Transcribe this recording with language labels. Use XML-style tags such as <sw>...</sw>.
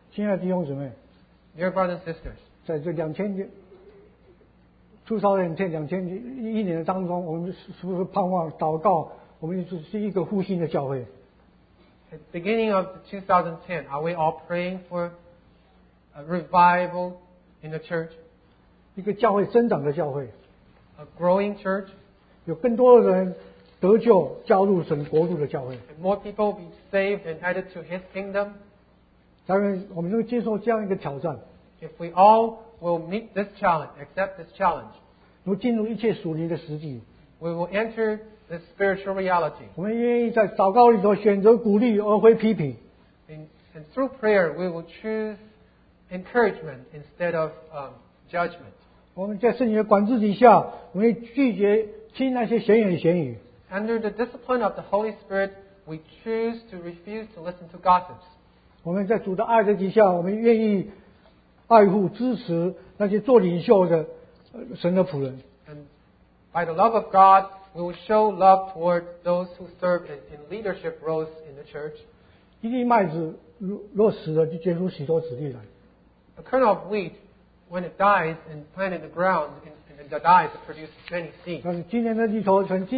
<zh>亲爱的弟兄姊妹</zh> <en>，Dear brothers and sisters.</en> <zh>在这2011年的当中，我们是不是盼望祷告？我们是一个复兴的教会。</zh> <en>At the beginning of 2010, are we all praying for a revival in the church.</en> <zh>一个教会增长的教会,</zh> <en>a growing church.</en> <zh>有更多的人得救加入神国度的教会,</zh> <en>and more people be saved and added to his kingdom.</en> <zh>当然我们能接受这样一个挑战,</zh> <en>if we all will meet this challenge, accept this challenge,</en> <zh>能进入一切属灵的实际,</zh> <en>we will enter the spiritual reality.</en> <zh>我们愿意在祷告里头选择鼓励而非批评,</zh> <en>and through prayer, we will choose encouragement instead of judgment.</en> <zh>我们在圣灵的管制底下, 我们拒绝听那些闲言闲语,</zh> <en>under the discipline of the Holy Spirit, we choose to refuse to listen to gossips.</en> <zh>我们在主的爱的底下, 我们愿意爱护支持那些做领袖的神的仆人,</zh> <en>and by the love of God, we will show love toward those who serve in leadership roles in the church.</en> <zh>一粒麦子若死了就结出许多子粒来,</zh> <en>a kernel of wheat, when it dies and planted in the ground, and it dies, it produces many seeds.</en>